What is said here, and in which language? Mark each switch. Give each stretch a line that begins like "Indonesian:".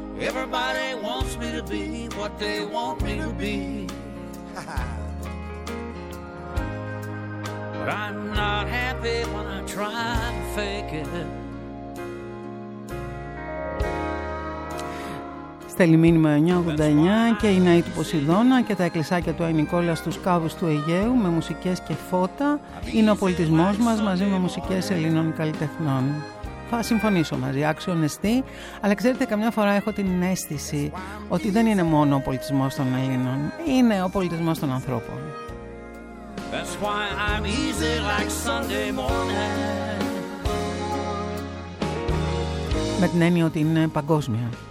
English: Everybody wants me to be what they want me to be. But I'm not happy when I try to fake it.
Greek: Στέλνει μήνυμα 989 και η Ναή του Ποσειδώνα και τα εκκλησάκια του Αϊνικόλα στους κάβους του Αιγαίου με μουσικές και φώτα. Είναι ο πολιτισμός μας μαζί με μουσικές Ελλήνων καλλιτεχνών. Θα συμφωνήσω μαζί, άξιον εστί, αλλά ξέρετε, καμιά φορά έχω την αίσθηση ότι δεν είναι μόνο ο πολιτισμός των Ελλήνων, είναι ο πολιτισμός των ανθρώπων.
English: That's why I'm easy like Sunday morning.
Greek: Με την έννοια ότι είναι παγκόσμια.